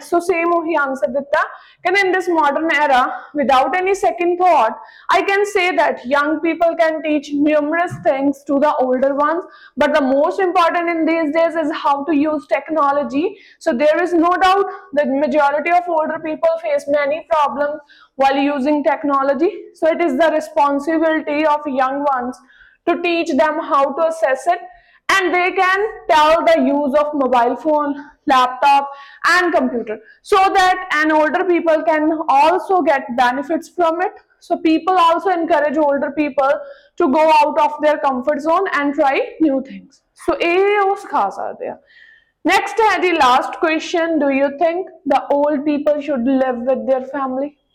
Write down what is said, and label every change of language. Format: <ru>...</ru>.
<en>So same</en> <pa>ohi answer ditta, kende</pa> <en>in this modern era without any second thought I can say that young people can teach numerous things to the older ones, but the most important in these days is how to use technology. So there is no doubt that majority of older people face many problems while using technology. So it is the responsibility of young ones to teach them how to assess it and they can tell the use of mobile phone, laptop and computer, so that an older people can also get benefits from it. So people also encourage older people to go out of their comfort zone and try new things. So</en> <pa>eh oh sikha sakde ha.</pa> <en>Next</en> <pa>hai ji</pa> <en>last question, do you think the old people should live with their family?</en>